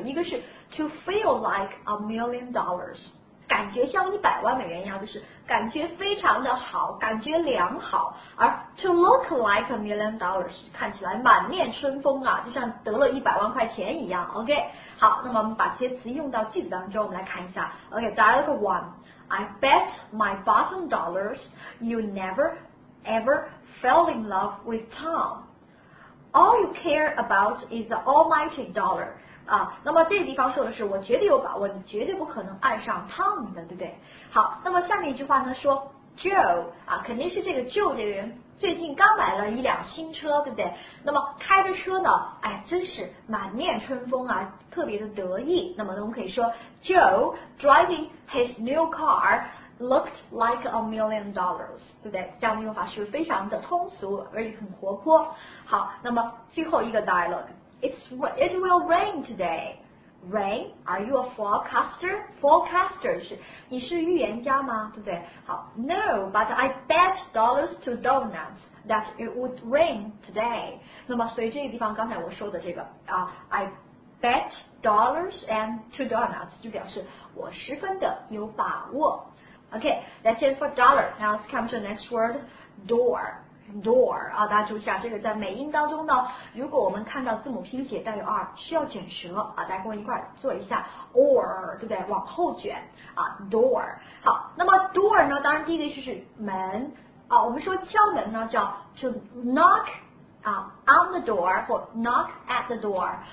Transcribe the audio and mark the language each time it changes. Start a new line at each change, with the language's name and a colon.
Chinese: 一个是
English: to feel like a million dollars，
Chinese: 感觉像一百万美元一样，就是感觉非常的好，感觉良好。而
English: to look like a million dollars，
Chinese: 看起来满面春风啊，就像得了一百万块钱一样。 OK， 好，那么我们把这些词用到句子当中，我们来看一下。
English: OK， dialogue one， I bet my bottom dollars you never ever fell in love with Tom. All you care about is the almighty dollar.
Chinese: 啊，那么这个地方说的是，我绝对有把握，你绝对不可能爱上 Tom 的，对不对？好，那么下面一句话呢，说 Joe 啊，肯定是这个 Joe 这个人最近刚买了一辆新车，对不对？那么开着车呢，哎，真是满面春风啊，特别的得意。那么我们可以说
English: Joe driving his new car. Looked like a million dollars，
Chinese: 对不对？这样的用法是非常的通俗，而且很活泼。好，那么最后一个
English: dialogue， it will rain today。 Rain， are you a forecaster？ Forecaster
Chinese: 是你是预言家吗？对不对？
English: 好， no， but I bet dollars to donuts that it would rain today。
Chinese: 那么所以这个地方刚才我说的这个啊，
English: I bet dollars and two donuts
Chinese: 就表示我十分的有把握。
English: Okay, that's it for dollar. Now let's come to the next word, door.
Chinese: Door, 啊，大家注意一下，这个在美音当中呢，如果我们看到字母拼写带有 R, 需要卷舌，啊，大家跟我一块做一下 ,or, 对不对？往后卷，啊 ,door. 好，那么 door 呢，当然第一个意思是门，啊，我们说敲门呢叫
English: to knock,on the door,
Chinese: 或
English: knock at the door.